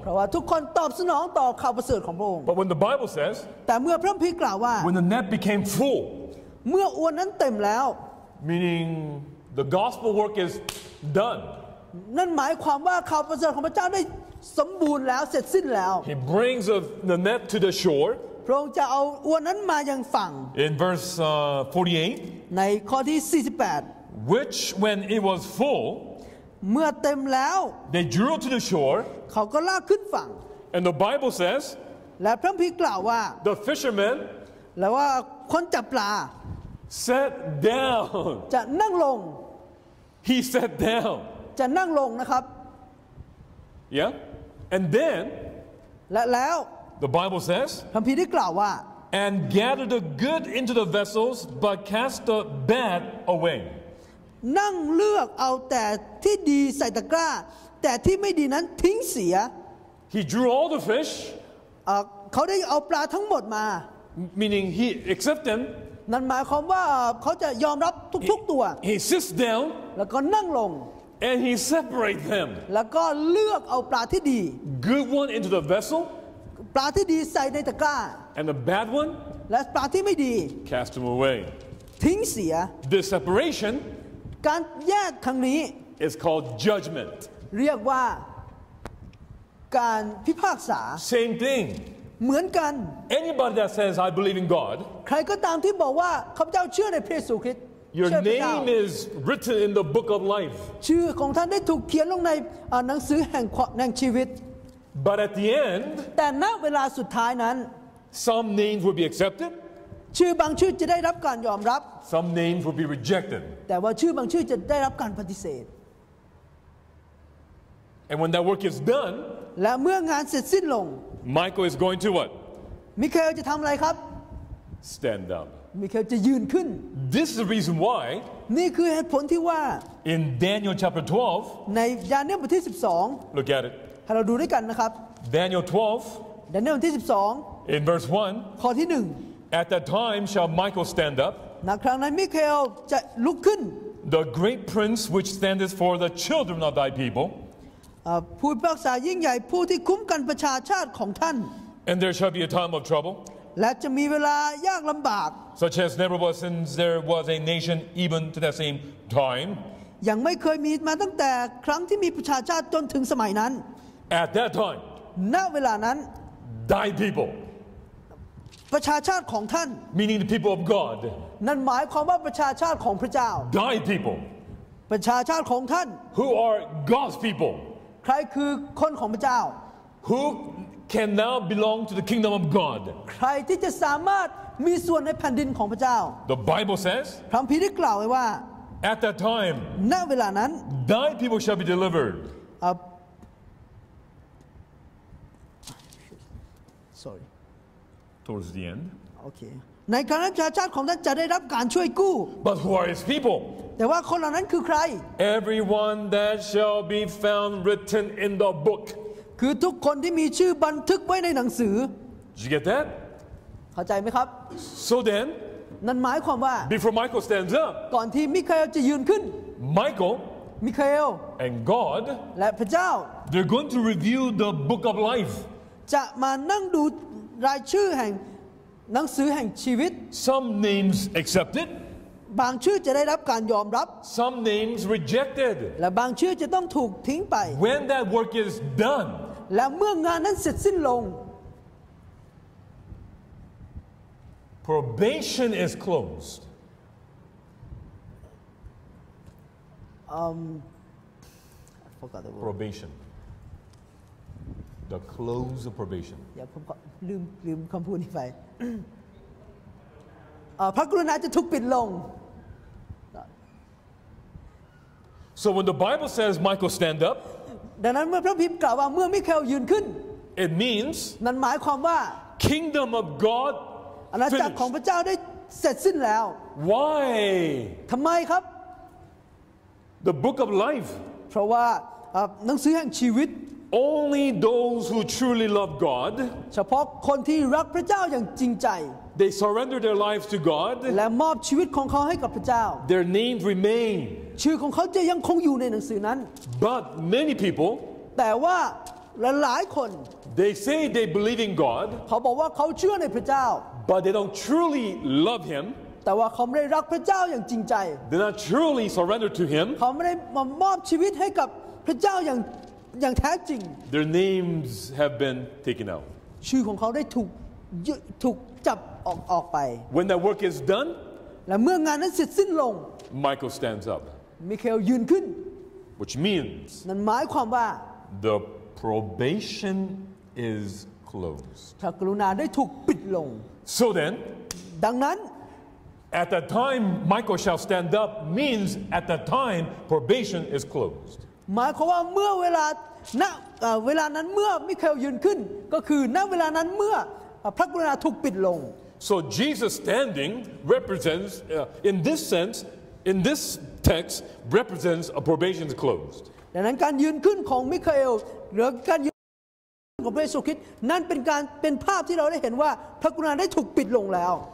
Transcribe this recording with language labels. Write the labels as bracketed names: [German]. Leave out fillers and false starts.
[Thai] เพราะว่าทุกคนตอบสนองต่อข่าวประเสริฐของพระองค์ [English] But when the Bible says, [Thai] แต่เมื่อพระคัมภีร์กล่าวว่า [English] When the net became full, [Thai] เมื่ออวนนั้นเต็มแล้ว [English] Meaning the gospel work is done. [Thai] นั่นหมายความว่าข่าวประเสริฐของพระเจ้าได้สมบูรณ์แล้วเสร็จสิ้นแล้ว [English] He brings the net to the shore. [Thai] พระองค์จะเอาอวนนั้นมายังฝั่ง [English] In verse 48 [Thai] ในข้อที่48 [English] Which when it was full [Thai] เมื่อเต็มแล้ว [English] They drew to the shore [Thai] เขาก็ลากขึ้นฝั่ง [English] And the Bible says [Thai] และพระคัมภีร์กล่าวว่า [English] The fishermen [Thai] แล้วว่าคนจับปลา [English] Sat down [Thai] จะนั่งลง [English] He sat down [Thai] เ จะนั่งลงนะครับ [English] Yeah and then [Thai] แล้ว [English] The Bible says [Thai] พระคัมภีร์ได้กล่าวว่า [English] and gather the good into the vessels but cast the bad away [Thai] นั่งเลือกเอาแต่ที่ดีใส่ตะกร้าแต่ที่ไม่ดีนั้นทิ้งเสีย [English] He drew all the fish [Thai] เขาได้เอาปลาทั้งหมดมา [English] meaning he accept them [Thai] นั่นหมายความว่าเขาจะยอมรับทุกๆตัว [English] He sits down [Thai] แล้วก็นั่งลง [English] And he separate them [Thai] แล้วก็เลือกเอาปลาที่ดี [English] Good one into the vessel [Thai] ปลาที่ดีใส่ในตะกร้า [English] And the bad one [Thai] และปลาที่ไม่ดี [English] Cast them away [Thai] ทิ้งเสีย [English] The separation [Thai] การแยกครั้งนี้ [English] is called judgment [Thai] เรียกว่าการพิพากษา [English] Same thing [Thai] เหมือนกัน [English] Anybody that says I believe in God [Thai] ใครก็ตามที่บอกว่าข้าพเจ้าเชื่อในพระเยซูคริสต์ [English] Your name is written in the book of life [Thai] ชื่อของท่านได้ถูกเขียนลงในหนังสือแห่งชีวิต [English] But at the end [Thai] แต่ณเวลาสุดท้ายนั้น [English] Some names will be accepted [Thai] ชื่อบางชื่อจะได้รับการยอมรับ [English] Some names will be rejected [Thai] แต่ว่าชื่อบางชื่อจะได้รับการปฏิเสธ [English] And when that work is done [Thai] และเมื่องานเสร็จสิ้นลง [English] Michael is going to what? [Thai] Michael จะทำอะไรครับ [English] Stand up. [Thai] Michael จะยืนขึ้น [English] This is the reason why. [Thai] นี่คือเหตุผลที่ว่า [English] In Daniel chapter 12. [Thai] ในดาเนียลบทที่12. [English] Look at it. [Thai] ให้เราดูด้วยกันนะครับ [English] Daniel 12. [Thai] ดาเนียลบทที่12. [English] In verse 1. [Thai] ข้อที่1. [English] At that time shall Michael stand up. [Thai] ณครั้งนั้น Michael จะลุกขึ้น [English] The great prince which standeth for the children of thy people. [Thai] ผู้พิพากษายิ่งใหญ่ผู้ที่คุ้มกันประชาชาติของท่าน [English] And there shall be a time of trouble [Thai] และจะมีเวลายากลำบาก [English] Such as never was since there was a nation even to that same time [Thai] ยังไม่เคยมีมาตั้งแต่ครั้งที่มีประชาชาติจนถึงสมัยนั้น [English] At that time [Thai] ณเวลานั้น [English] Thy people [Thai] ประชาชาติของท่าน [English] Meaning the people of God [Thai] นั่นหมายความว่าประชาชาติของพระเจ้า [English] Thy people [Thai] ประชาชาติของท่าน [English] Who are God's people [Thai] ใครคือคนของพระเจ้า [English] Who can now belong to the kingdom of God [Thai] ใครที่จะสามารถมีส่วนในแผ่นดินของพระเจ้า [English] The Bible says [Thai] พระคัมภีร์ได้กล่าวไว้ว่า [English] At that time [Thai] ณเวลานั้น [English] Thy people shall be delivered Sorry Towards the end [Thai] Okay ในครั้งนั้นประชาชาติของท่านจะได้รับการช่วยกู้ [English] But who are his people [Thai] แต่ว่าคนเหล่านั้นคือใคร [English] Everyone that shall be found written in the book [Thai] คือทุกคนที่มีชื่อบันทึกไว้ในหนังสือ [English] Did you get that [Thai] เข้าใจไหมครับ [English] So then [Thai] นั่นหมายความว่า [English] Before Michael stands up [Thai] ก่อนที่มิคาเอลจะยืนขึ้น [English] Michael [Thai] มิคาเอล [English] and God [Thai] และพระเจ้า [English] They're going to review the book of life [Thai] จะมานั่งดูรายชื่อแห่งหนังสือแห่งชีวิต [English] Some names accepted. [Thai] บางชื่อจะได้รับการยอมรับ [English] Some names rejected [Thai] และบางชื่อจะต้องถูกทิ้งไป [English] When that work is done [Thai] และเมื่องานนั้นเสร็จสิ้นลง [English] Probation is closed I forgot the word Probation The close of probation [Thai] yeah, ผมลืมคำพูดนี้ไปพระกรุณาจะถูกปิดลง [English] So when the Bible says Michael stand up, [Thai] ดังนั้นเมื่อพระคัมภีร์กล่าวว่าเมื่อมิคาเอลยืนขึ้น [English] it means [Thai] นั่นหมายความว่า [English] kingdom of God [Thai] อาณาจักรของพระเจ้าได้เสร็จสิ้นแล้ว [English] why [Thai] ทำไมครับ [English] the book of life [Thai] เพราะว่าหนังสือแห่งชีวิต [English] only those who truly love God [Thai] เฉพาะคนที่รักพระเจ้าอย่างจริงใจ [English] they surrender their lives to God [Thai] และมอบชีวิตของเขาให้กับพระเจ้า [English] their names remain [Thai] ชื่อของเขาจะยังคงอยู่ในหนังสือนั้น [English] But many people [Thai] แต่ว่าหลายคน [English] They say they believe in God [Thai] เขาบอกว่าเขาเชื่อในพระเจ้า [English] But they don't truly love him [Thai] แต่ว่าเขาไม่ได้รักพระเจ้าอย่างจริงใจ [English] They don't truly surrender to him [Thai] เขาไม่ได้มอบชีวิตให้กับพระเจ้าอย่างแท้จริง [English] Their names have been taken out [Thai] ชื่อของเขาได้ถูกจับออกไป [English] When that work is done [Thai] และเมื่องานนั้นเสร็จสิ้นลง [English] Michael stands up [Thai] Michael ยืนขึ้น [English] which means [Thai] นั่นหมายความว่า [English] the probation is closed [Thai] พระกรุณาได้ถูกปิดลง [English] so then [Thai] ดังนั้น [English] at that time Michael shall stand up means at that time probation is closed [Thai] หมายความว่าเมื่อเวลาณเวลานั้นเมื่อมิคาเอลยืนขึ้นก็คือณเวลานั้นเมื่อพระกรุณาถูกปิดลง [English] So Jesus standing represents in this sense in this text represents a probation is closed [Thai] ดังนั้นการยืนขึ้นของมิคาเอลหรือการยืนของพระเยซูคริสต์นั่นเป็นการเป็นภาพที่เราได้เห็นว่าพระกรุณาได้ถูกปิดลงแล้ว